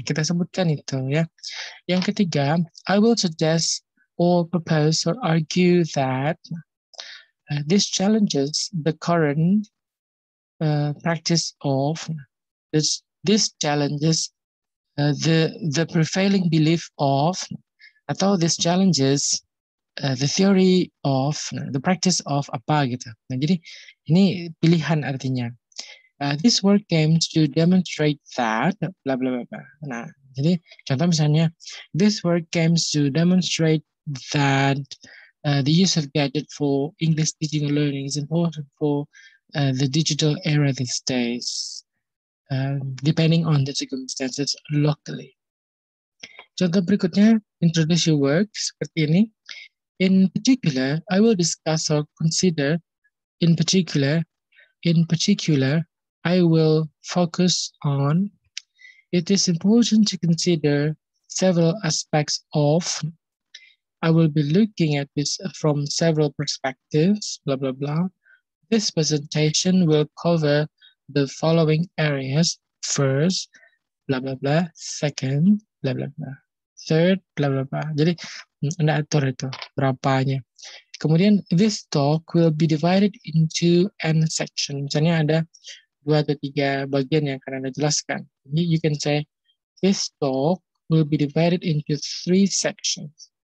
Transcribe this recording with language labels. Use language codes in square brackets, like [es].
[id] Kita sebutkan itu ya. Yang ketiga, [en] I will suggest or propose or argue that this challenges the current practice of this challenges the prevailing belief of atau this challenges the theory of the practice of apa gitu. [id] Nah, jadi ini pilihan artinya. [en] This work aims to demonstrate that bla bla bla. [id] Nah, jadi contoh misalnya [en] this work aims to demonstrate that the use of gadget for English teaching and learning is important for the digital era these days depending on the circumstances locally. [id] Contoh berikutnya, [en] introduce your work [id] seperti ini. [en] In particular, I will discuss or consider, in particular, I will focus on, it is important to consider several aspects of, I will be looking at this from several perspectives, blah, blah, blah. This presentation will cover the following areas, first, blah, blah, blah, second, blah, blah, blah, third, blah, blah, blah. [id] Jadi, Anda atur itu, berapanya. Kemudian, [en] this talk will be divided into an section. [id] Misalnya ada 2 atau 3 bagian yang akan Anda jelaskan. [en] You can say, this talk will be divided into 3 sections.